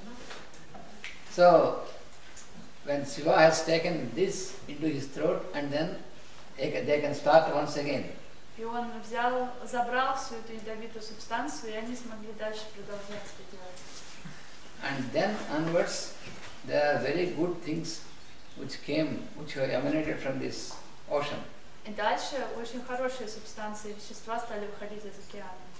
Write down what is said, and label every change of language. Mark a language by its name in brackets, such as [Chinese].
[Russian] Горло. [English] So, when Shiva has taken this into his throat, and then they can start once again. [Russian] И он взял, забрал всю эту ядовитую субстанцию, и они смогли дальше продолжать это делать. [English] And then onwards, there are very good things which came, which emanated from this ocean. [Russian] И дальше очень хорошие субстанции, вещества стали выходить из океана.